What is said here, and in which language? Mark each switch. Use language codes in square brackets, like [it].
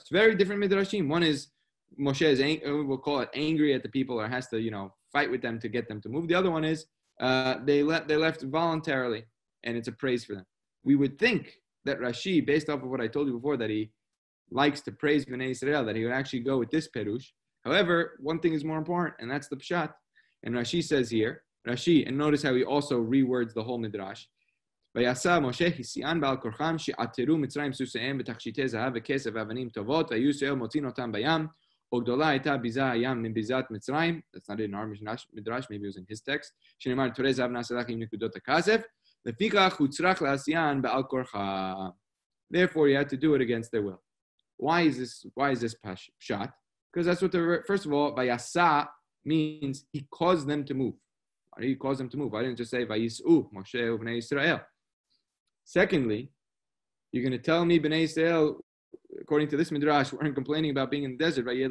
[en] It's very different midrashim. One is Moshe is, we'll call it angry at the people, or has to, you know, fight with them to get them to move. The other one is they left voluntarily, and it's a praise for them. We would think that Rashi, based off of what I told you before, that he likes to praise B'nai Israel, that he would actually go with this perush. However, one thing is more important, and that's the pshat. And Rashi says here, Rashi, and notice how he also rewords the whole midrash. [he] ויעשה משה חיסיין בעל כורחם שעתרו מצרים סוסיהם בתכשיטי זהב וכסף ואבנים טובות והיו ישראל מוצאים אותם בים וגדולה הייתה ביזה הים מביזת מצרים. [en] That's not in our midrash, maybe it was in his text. [he] שנאמר, תורי זהב נעשה לך עם נקודות הכסף. לפיכך הוא צריך להסיין בעל כורחם. [en] Therefore, you had to do it against their will. Why is this pshat? Because that's what first of all, vayasa means he caused them to move. He caused them to move. I didn't just say [he] vayisu Moshe uvnei Yisrael. [en] Secondly, you're going to tell me bnei Yisrael, according to this midrash, weren't complaining about being in the desert.